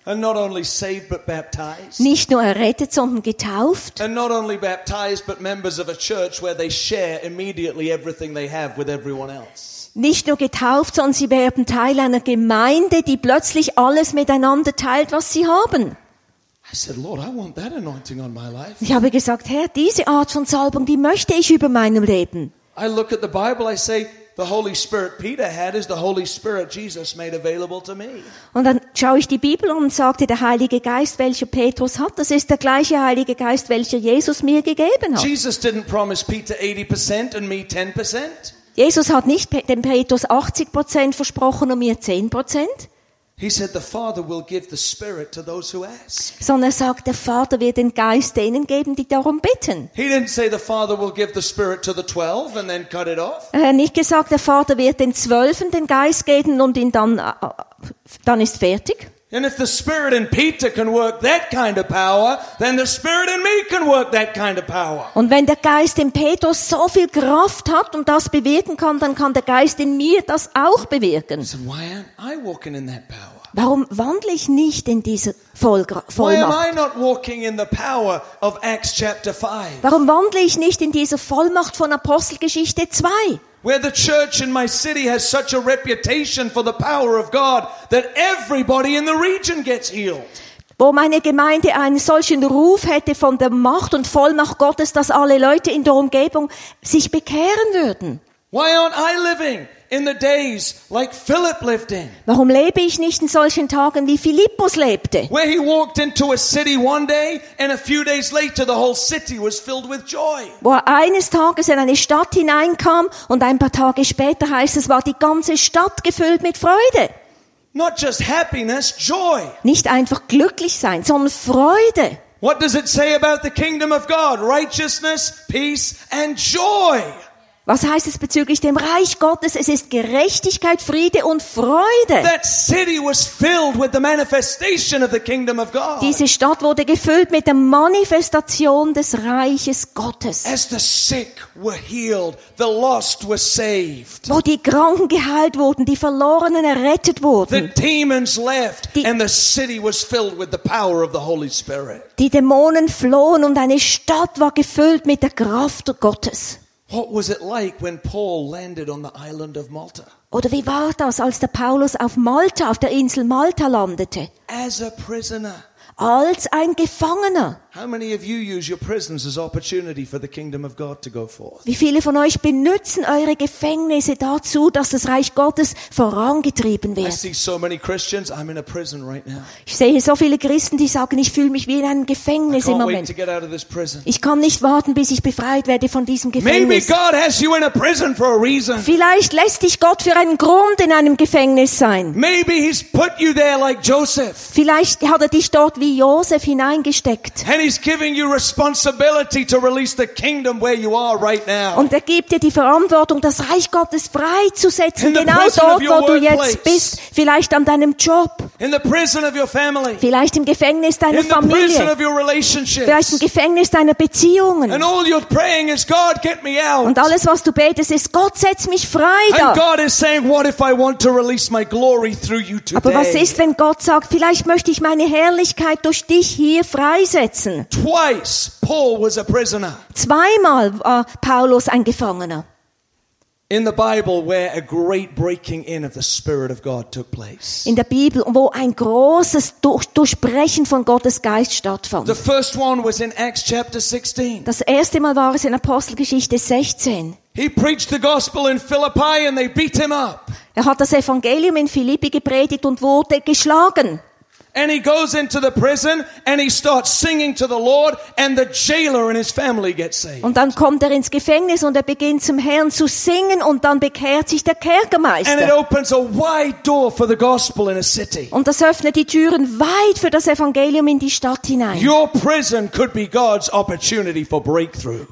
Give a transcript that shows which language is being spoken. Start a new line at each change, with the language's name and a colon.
English: And not only saved but baptized.
German: Nicht nur errettet, sondern getauft.
English: And not only baptized but members of a church where they share immediately everything they have with everyone else.
German: Nicht nur getauft, sondern sie werden Teil einer Gemeinde, die plötzlich alles miteinander teilt, was sie haben.
English: I said, Lord, I want that anointing on my life.
German: Ich habe gesagt, Herr, diese Art von Salbung, die möchte ich über meinem Leben.
English: I look at the Bible, I say, the Holy Spirit Peter had is the Holy Spirit Jesus made available to me.
German: Und dann schaue ich die Bibel und sagte, der Heilige Geist, welcher Petrus hat, das ist der gleiche Heilige Geist, welcher Jesus mir gegeben hat.
English: Jesus didn't promise Peter 80% and me 10%.
German: Jesus hat nicht dem Petrus 80% versprochen und mir 10%.
English: He said the Father will give the Spirit to those who ask.
German: Sondern er sagt, der Vater wird den Geist denen geben, die darum bitten.
English: He didn't say the Father will give the Spirit to the 12 and then cut it off.
German: Er hat nicht gesagt, der Vater wird den 12 den Geist geben und ihn dann ist fertig.
English: And if the Spirit in Peter can work that kind of power, then the Spirit in me can work that kind of power.
German: Und wenn der Geist in Petrus so viel Kraft hat und das bewirken kann, dann kann der Geist in mir das auch bewirken.
English: So why aren't I walking in that power?
German: Warum wandle ich nicht in dieser Vollmacht?
English: Why am I not walking in the power of Acts chapter 5?
German: Warum wandle ich nicht in dieser Vollmacht von Apostelgeschichte 2?
English: Where the church in my city has such a reputation for the power of God that everybody in the region gets healed.
German: Wo meine Gemeinde einen solchen Ruf hätte von der Macht und Vollmacht Gottes, dass alle Leute in der Umgebung sich bekehren würden.
English: Why aren't I living in the days like Philip lived in?
German: Warum lebe ich nicht in solchen Tagen wie Philippus lebte?
English: Where he walked into a city one day and a few days later the whole city was filled with joy.
German: Wo er eines Tages in eine Stadt hineinkam und ein paar Tage später heißt es, war die ganze Stadt gefüllt mit Freude.
English: Not just happiness, joy.
German: Nicht einfach glücklich sein, sondern Freude.
English: What does it say about the kingdom of God? Righteousness, peace and joy.
German: Was heißt es bezüglich dem Reich Gottes? Es ist Gerechtigkeit, Friede und Freude.
English: That city was filled with the manifestation of the kingdom of God.
German: Diese Stadt wurde gefüllt mit der Manifestation des Reiches Gottes.
English: As the sick were healed, the lost were saved.
German: Wo die Kranken geheilt wurden, die Verlorenen errettet wurden.
English: The demons left and the city was filled with the power of the Holy Spirit.
German: Die Dämonen flohen und eine Stadt war gefüllt mit der Kraft Gottes.
English: What was it like when Paul landed on the island of Malta?
German: Oder wie war das, als der Paulus auf Malta, auf der Insel Malta landete?
English: As a prisoner.
German: Als ein Gefangener.
English: How many of you use your prisons as opportunity for the kingdom of God to go forth?
German: Wie viele von euch benutzen eure Gefängnisse dazu, dass das Reich Gottes vorangetrieben wird?
English: I see so many Christians, I'm in a prison right now.
German: Ich sehe so viele Christen, die sagen, ich fühle mich wie in einem Gefängnis im Moment.
English: I can't wait to get out of this prison.
German: Ich kann nicht warten, bis ich befreit werde von diesem Gefängnis.
English: Maybe God has you in a prison for a reason.
German: Vielleicht lässt dich Gott für einen Grund in einem Gefängnis sein.
English: Maybe he's put you there like Joseph.
German: Vielleicht hat er dich dort wie Josef hineingesteckt.
English: And he's giving you responsibility to release the kingdom where you are right now.
German: Und er gibt dir die Verantwortung, das Reich Gottes freizusetzen, genau dort, wo du jetzt bist, vielleicht an deinem Job.
English: In the prison of your family.
German: Vielleicht im Gefängnis deiner Familie.
English: In the prison of your relationships.
German: Vielleicht im Gefängnis deiner Beziehungen.
English: And all you're praying is, God, get me out.
German: Und alles, was du betest, ist, Gott, setz mich frei da.
English: And God is saying, what if I want to release my glory through you today?
German: Aber was ist, wenn Gott sagt, vielleicht möchte ich meine Herrlichkeit durch dich hier freisetzen?
English: Twice Paul was a prisoner.
German: Zweimal war Paulus ein Gefangener.
English: In the Bible where a great breaking in of the Spirit of God took place.
German: In der Bibel, wo ein großes Durchbrechen von Gottes Geist stattfand.
English: The first one was in Acts chapter 16.
German: Das erste Mal war es in Apostelgeschichte 16.
English: He preached the gospel in Philippi and they beat him up.
German: Er hat das Evangelium in Philippi gepredigt und wurde geschlagen.
English: And he goes into the prison and he starts singing to the Lord and the jailer and his family get saved.
German: Und dann kommt er ins Gefängnis und er beginnt zum Herrn zu singen und dann bekehrt sich der Kerkermeister.
English: And it opens a wide door for the gospel in a city.
German: Und das öffnet die Türen weit für das Evangelium in die Stadt hinein.
English: Your prison could be God's opportunity for breakthrough.